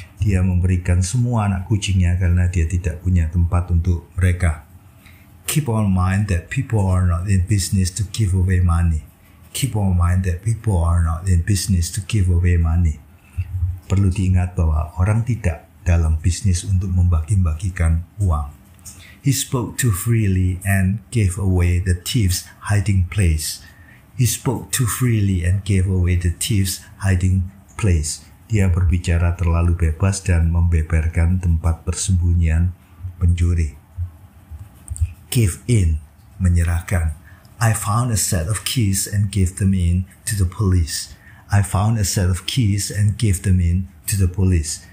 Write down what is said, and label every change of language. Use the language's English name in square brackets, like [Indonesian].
[Indonesian] Dia memberikan semua anak kucingnya karena dia tidak punya tempat untuk mereka. [English] Keep on mind that people are not in business to give away money. Keep on mind that people are not in business to give away money. [Indonesian] Perlu diingat bahwa orang tidak dalam bisnis untuk membagi-bagikan uang. [English] He spoke too freely and gave away the thief's hiding place. He spoke too freely and gave away the thief's hiding place. [Indonesian] Dia berbicara terlalu bebas dan membeberkan tempat persembunyian pencuri. Give in, menyerahkan. [English] I found a set of keys and gave them in to the police. I found a set of keys and gave them in to the police.